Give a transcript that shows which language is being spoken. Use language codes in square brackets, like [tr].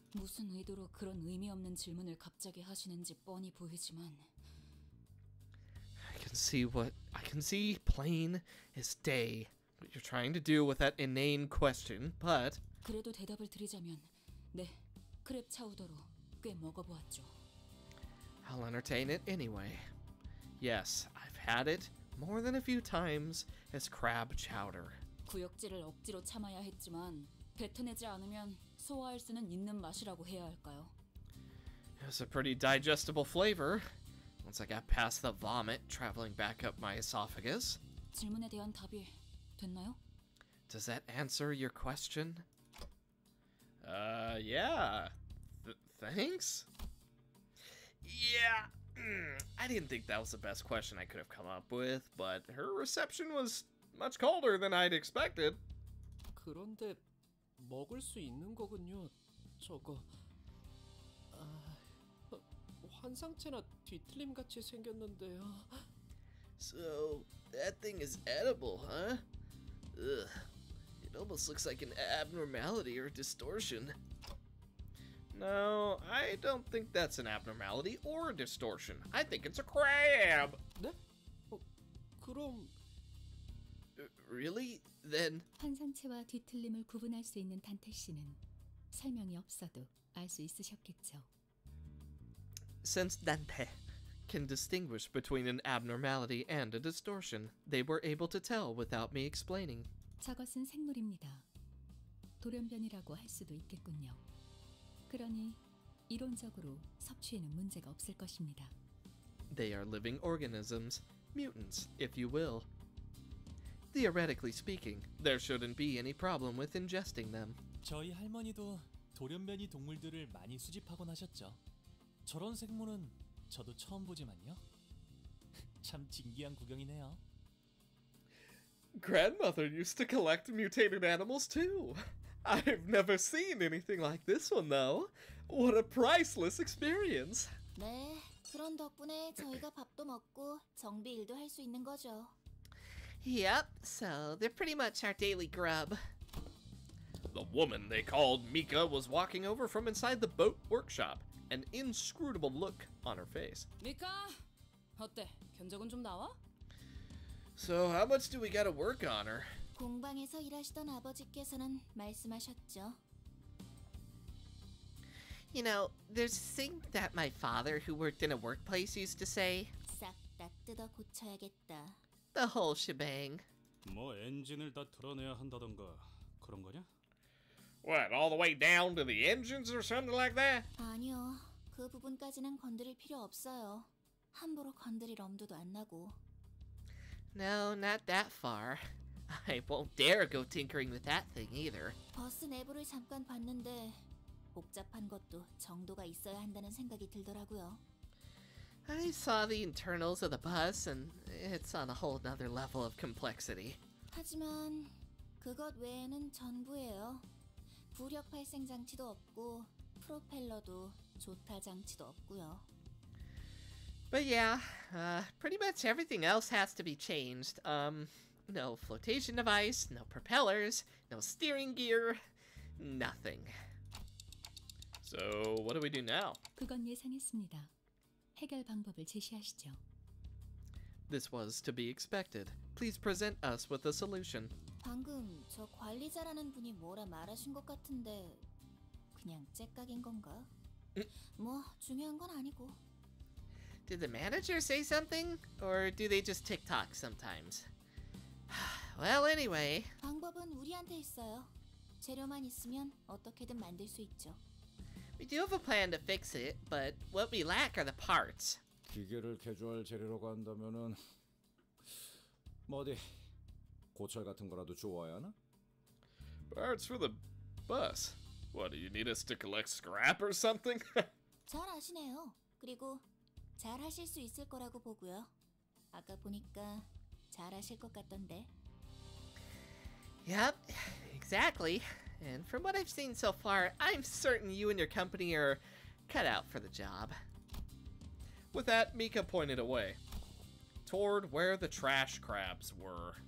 [ko] 무슨 의도로 그런 의미 없는 질문을 갑자기 하시는지 뻔히 보이지만. [en] I can see plain as day what you're trying to do with that inane question, but [ko] 그래도 대답을 드리자면 네, 크랩 차우더로 꽤 먹어보았죠. [en] I'll entertain it anyway. Yes, I've had it more than a few times as crab chowder. [ko] 구역질을 억지로 참아야 했지만 뱉어내지 않으면 소화할 수는 있는 맛이라고 해야 할까요? [en] It was a pretty digestible flavor. Once I got past the vomit traveling back up my esophagus. [ko] 질문에 대한 답이 됐나요? [en] Does that answer your question? Yeah. Thanks? Yeah. I didn't think that was the best question I could have come up with, but her reception was much colder than I'd expected. [ko] 그런데 먹을 수 있는 거군요. 저거. 환상체나 뒤틀림 같이 생겼는데요. [en] So, that thing is edible, huh? Ugh. It almost looks like an abnormality or distortion. No, I don't think that's an abnormality or a distortion. I think it's a crab! [ko] 네? 그럼... [en] Really? Then... [ko] 환상체와 뒤틀림을 구분할 수 있는 단테 씨는 설명이 없어도 알 수 있으셨겠죠. [en] Since Dante can distinguish between an abnormality and a distortion, they were able to tell without me explaining. [ko] 저것은 생물입니다. 돌연변이라고 할 수도 있겠군요. 그러니 이론적으로 섭취에는 문제가 없을 것입니다. [en] They are living organisms, mutants, if you will. Theoretically speaking, there shouldn't be any problem with ingesting them. [ko] 저희 할머니도 돌연변이 동물들을 많이 수집하곤 하셨죠. 저런 생물은 저도 처음 보지만요. 참 진기한 구경이네요. [en] Grandmother used to collect mutated animals too. I've never seen anything like this one though. What a priceless experience. [ko] 네, 그런 덕분에 저희가 밥도 먹고 정비 일도 할 수 있는 거죠. [en] Yep, so they're pretty much our daily grub. The woman they called Mika was walking over from inside the boat workshop. An inscrutable look on her face. [ko] Mika, 어때? 견적은 좀 나와? [en] So how much do we gotta work on her? [ko] 공방에서 일하시던 아버지께서는 말씀하셨죠. [en] You know, there's a thing that my father, who worked in a workplace, used to say. [ko] 싹 다 뜯어 고쳐야겠다. [en] The whole shebang. [ko] 뭐 엔진을 다 털어내야 한다던가 그런 거냐? [en] What, all the way down to the engines or something like that? [ko] 아니요, 그 부분까지는 건드릴 필요 없어요. 함부로 건드릴 엄두도 안 나고. [en] No, not that far. I won't dare go tinkering with that thing either. 버스 내부를 잠깐 봤는데 복잡한 것도 정도가 있어야 한다는 생각이 들더라고요. I saw the internals of the bus and it's on a whole other level of complexity. 하지만 그것 외에는 전부예요. 부력 발생 장치도 없고 프로펠러도 조타 장치도 없고요. But yeah, pretty much everything else has to be changed. No flotation device, no propellers, no steering gear, nothing. So, what do we do now? [ko] 그건 예상했습니다. 해결 방법을 제시하시죠. [en] This was to be expected. Please present us with a solution. [ko] 방금 저 관리자라는 분이 뭐라 말하신 것 같은데 그냥 째깍인 건가? 뭐 중요한 건 아니고. [en] Did the manager say something? Or do they just tick-tock sometimes? Well, anyway. [ko] 방법은 우리한테 있어요. 재료만 있으면 어떻게든 만들 수 있죠. [en] We do have a plan to fix it, but what we lack are the parts. [ko] 기계를 개조할 재료라고 한다면은 뭐 어디 고철 같은 거라도 주워야 하나? [en] Parts for the bus. What, do you need us to collect scrap or something? 잘 아시네요. 그리고 잘 하실 수 있을 거라고 보고요. 아까 보니까 잘 하실 것 같던데. Yep, exactly. And from what I've seen so far, I'm certain you and your company are cut out for the job. With that, Mika pointed away toward where the trash crabs were.